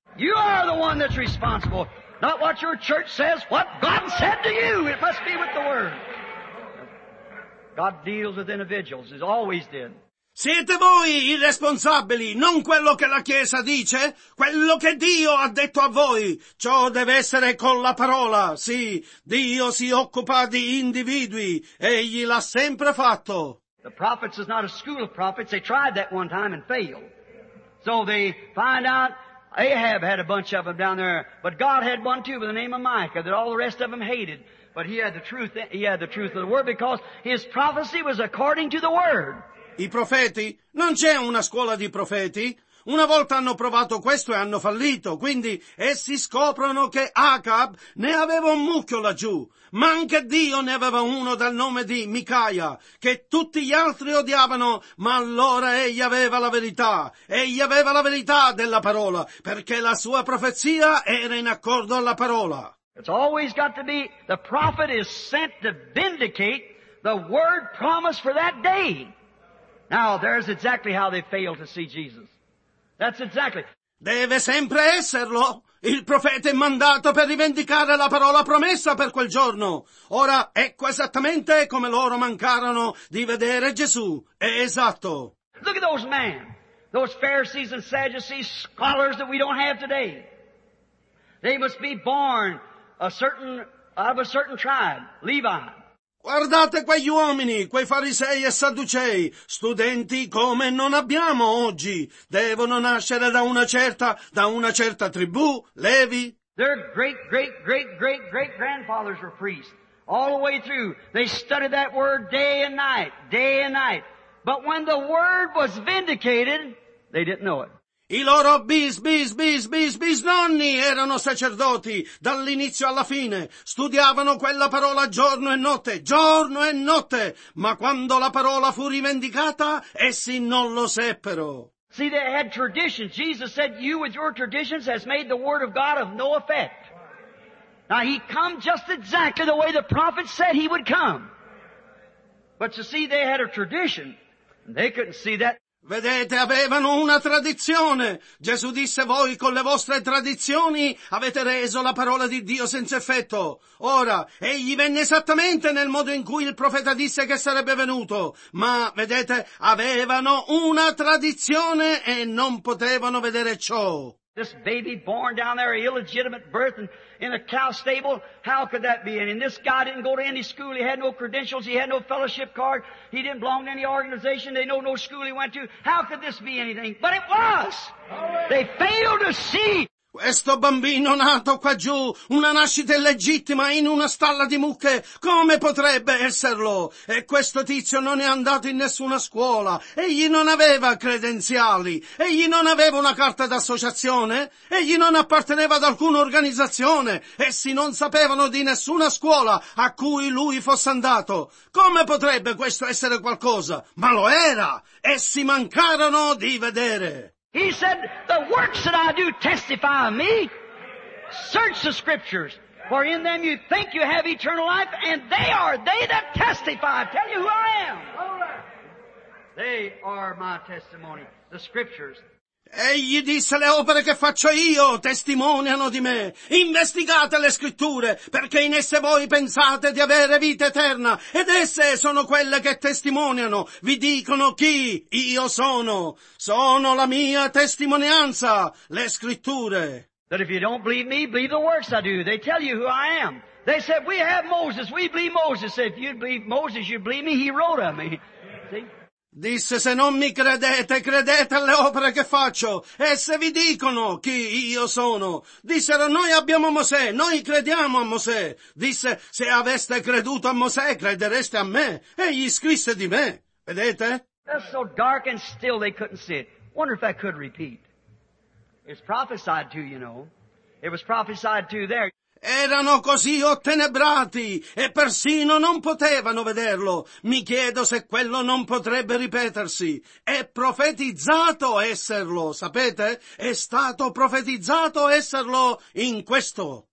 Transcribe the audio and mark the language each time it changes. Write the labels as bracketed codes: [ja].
[en] You are the one that's responsible, not what your church says, what God said to you, it must be with the word. God deals with individuals, as always did. [it] Siete voi i responsabili, non quello che la Chiesa dice, quello che Dio ha detto a voi. Ciò deve essere con la parola, sì, Dio si occupa di individui, egli l'ha sempre fatto. [en] The prophets is not a school of prophets, they tried that one time and failed. So they find out, Ahab had a bunch of them down there, but God had one too by the name of Micah that all the rest of them hated. But he had the truth of the word because his prophecy was according to the word. [it] I profeti? Non c'è una scuola di profeti? Una volta hanno provato questo e hanno fallito, quindi essi scoprono che Acab ne aveva un mucchio laggiù, ma anche Dio ne aveva uno dal nome di Micaia, che tutti gli altri odiavano, ma allora egli aveva la verità, egli aveva la verità della parola, perché la sua profezia era in accordo alla parola. [en] It's always got to be, the prophet is sent to vindicate the word promised for that day. Now, there's exactly how they fail to see Jesus. That's exactly. [it] Deve sempre esserlo. Il profeta è mandato per rivendicare la parola promessa per quel giorno. Ora, ecco esattamente come loro mancarono di vedere Gesù. È esatto. [en] Look at those men, those Pharisees and Sadducees, scholars that we don't have today. They must be born out of a certain tribe, Levi. [it] Guardate quegli uomini, quei farisei e sadducei, studenti come non abbiamo oggi. Devono nascere da una certa tribù, Levi. [en] Their great, great, great, great, great grandfathers were priests. All the way through, they studied that word day and night. But when the word was vindicated, they didn't know it. [it] I loro bisnonni erano sacerdoti dall'inizio alla fine, studiavano quella parola giorno e notte, ma quando la parola fu rivendicata, essi non lo seppero. [en] See, they had traditions. Jesus said, you with your traditions has made the word of God of no effect. Now he come just exactly the way the prophet said he would come. But you see, they had a tradition, and they couldn't see that. [it] Vedete, avevano una tradizione. Gesù disse, voi con le vostre tradizioni avete reso la parola di Dio senza effetto. Ora, egli venne esattamente nel modo in cui il profeta disse che sarebbe venuto. Ma, vedete, avevano una tradizione e non potevano vedere ciò. [en] This baby born down there, an illegitimate birth in a cow stable, how could that be? And this guy didn't go to any school, he had no credentials, he had no fellowship card, he didn't belong to any organization, they know no school he went to. How could this be anything? But it was! They failed to see! [it] Questo bambino nato qua giù, una nascita illegittima in una stalla di mucche, come potrebbe esserlo? E questo tizio non è andato in nessuna scuola, egli non aveva credenziali, egli non aveva una carta d'associazione, egli non apparteneva ad alcuna organizzazione, essi non sapevano di nessuna scuola a cui lui fosse andato. Come potrebbe questo essere qualcosa? Ma lo era! Essi mancarono di vedere! [en] He said, the works that I do testify of me. Search the scriptures, for in them you think you have eternal life, and they are they that testify. I tell you who I am. All right. They are my testimony, the scriptures. [it] Egli disse, le opere che faccio io testimoniano di me. Investigate le scritture, perché in esse voi pensate di avere vita eterna, ed esse sono quelle che testimoniano, vi dicono chi io sono. Sono la mia testimonianza, le scritture. [en] That if you don't believe me, believe the works I do. They tell you who I am. They said, we have Moses, we believe Moses. If you believe Moses, you believe me, he wrote of me. See? [it] Disse, se non mi credete, credete alle opere che faccio, e se vi dicono chi io sono. Dissero, noi abbiamo Mosè, noi crediamo a Mosè. Disse, se aveste creduto a Mosè, credereste a me. Egli scrisse di me. Vedete? [en] It's so dark and still they couldn't see it. Wonder if that could repeat. It's prophesied to, you know. It was prophesied to there. [it] Erano così ottenebrati e persino non potevano vederlo. Mi chiedo se quello non potrebbe ripetersi. È profetizzato esserlo, sapete? È stato profetizzato esserlo in questo.